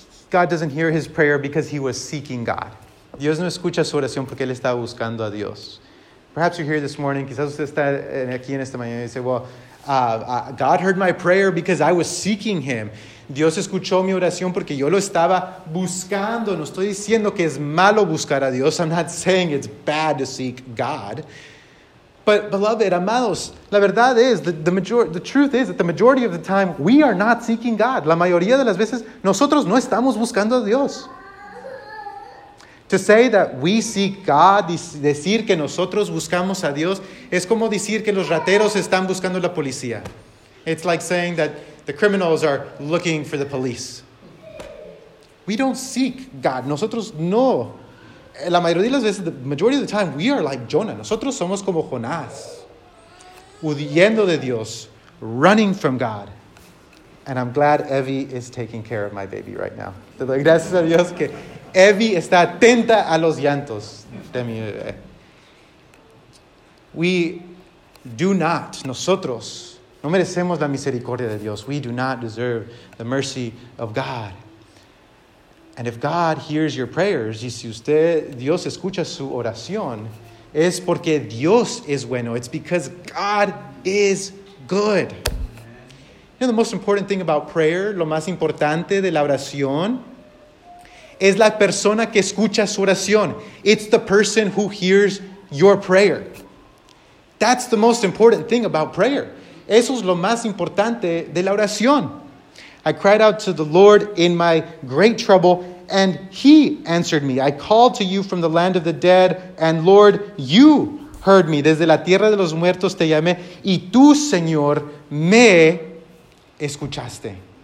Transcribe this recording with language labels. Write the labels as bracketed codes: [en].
[en] God doesn't hear his prayer because he was seeking God. [es] Dios no escucha su oración porque él estaba buscando a Dios. [en] Perhaps you're here this morning. [es] Quizás usted está aquí en esta mañana y dice, [en] well, God heard my prayer because I was seeking him. [es] Dios escuchó mi oración porque yo lo estaba buscando. No estoy diciendo que es malo buscar a Dios. [en] I'm not saying it's bad to seek God. But, beloved, amados, [es] la verdad es, [en] the truth is that the majority of the time, we are not seeking God. [es] La mayoría de las veces, nosotros no estamos buscando a Dios. [en] To say that we seek God, [es] decir que nosotros buscamos a Dios, es como decir que los rateros están buscando la policía. [en] It's like saying that the criminals are looking for the police. We don't seek God. [es] Nosotros no. La mayoría de las veces, [en] the majority of the time, we are like Jonah. [es] Nosotros somos como Jonás, huyendo de Dios, [en] running from God. And I'm glad Evie is taking care of my baby right now. [es] Gracias a Dios que Evie está atenta a los llantos de mi bebé. [en] We do not, [es] nosotros, no merecemos la misericordia de Dios. [en] We do not deserve the mercy of God. And if God hears your prayers, [es] y si usted, Dios escucha su oración, es porque Dios es bueno. [en] It's because God is good. You know, the most important thing about prayer, [es] lo más importante de la oración, es la persona que escucha su oración. [en] It's the person who hears your prayer. That's the most important thing about prayer. [es] Eso es lo más importante de la oración. [en] I cried out to the Lord in my great trouble, and He answered me. I called to you from the land of the dead, and Lord, you heard me. [es] Desde la tierra de los muertos te llamé, y tú, Señor, me escuchaste.